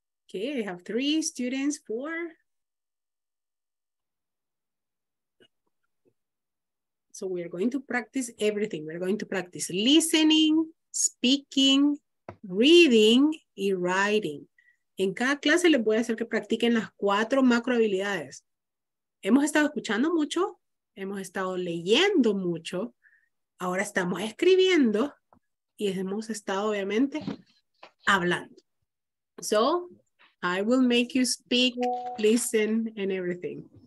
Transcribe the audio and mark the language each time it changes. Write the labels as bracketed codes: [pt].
[en] Okay, I have three students, four. So we are going to practice everything. We're going to practice listening, speaking, reading, and writing. [es] En cada clase les voy a hacer que practiquen las cuatro macro habilidades. Hemos estado escuchando mucho, hemos estado leyendo mucho, ahora estamos escribiendo y hemos estado obviamente hablando. [en] So, I will make you speak, listen, and everything.